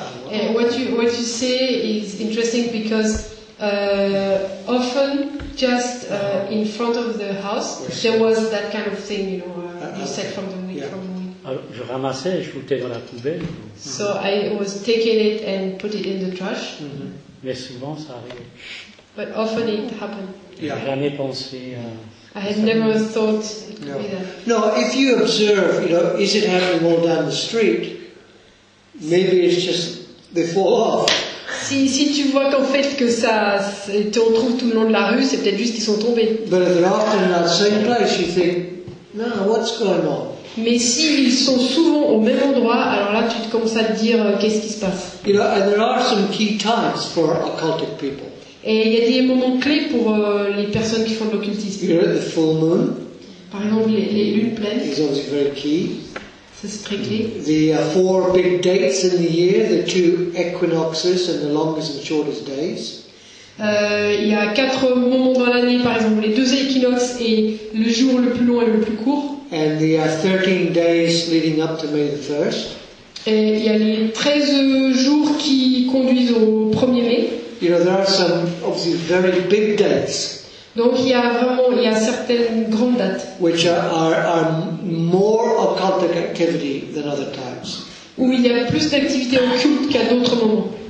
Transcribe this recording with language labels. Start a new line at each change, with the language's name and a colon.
English: And what you say is interesting because often just in front of the house there was that kind of thing, you know, you said from the wind.
French: Alors, je ramassais, je foutais dans la poubelle.
English: So I was taking it and put it in the trash. Mm-hmm.
French: Mais souvent ça arrive.
English: But often it happened.
French: Yeah. Jamais pensé.
English: I had never thought it could be that. No, if you observe, you know, is it happening all down the street? Maybe it's just they fall off.
French: Si tu vois qu'en fait que ça, tu en trouves tout le long de la rue, c'est peut-être juste qu'ils sont tombés.
English: But if they're often in that same place, you think, no, what's going on?
French: Mais s'ils sont souvent au même endroit, alors là tu commences à te dire qu'est-ce qui se passe.
English: You know, and there are some key times for occultic people.
French: Et il y a des moments clés pour les personnes qui font de l'occultisme.
English: You know, the full moon.
French: Par exemple, les lunes pleines.
English: It's always very key.
French: Ça, c'est très clé.
English: The four big dates in the year, the two equinoxes and the longest and shortest days.
French: Il y a quatre moments dans l'année, par exemple, les deux équinoxes et le jour le plus long et le plus court.
English: And the 13 days leading up to May the 1st.
French: Et il y a les 13 jours qui conduisent au 1er mai.
English: You know, there are some obviously very big dates.
French: Donc il y a vraiment il y a certaines grandes dates.
English: Which are more occultic activity than other times.
French: Où il y a plus d'activité occulte qu'à d'autres moments.